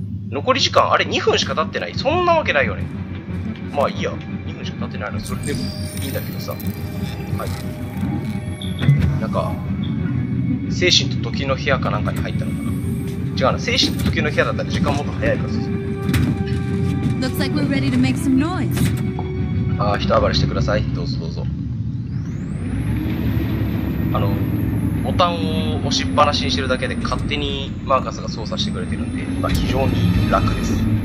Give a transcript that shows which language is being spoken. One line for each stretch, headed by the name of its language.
Japanese: 残り時間、あれ、2分しか経ってない。そんなわけないよね。まあ、いいや。立てないの、それでもいいんだけどさ。はい、なんか精神と時の部屋かなんかに入ったのかな。違うな、精神と時の部屋だったら時間もっと早いからさ。
English: Looks like we're ready to make some noise.
Japanese: ああ、人暴れしてください。どうぞどうぞ。あのボタンを押しっぱなしにしてるだけで勝手にマーカスが操作してくれてるんで、まあ、非常に楽です。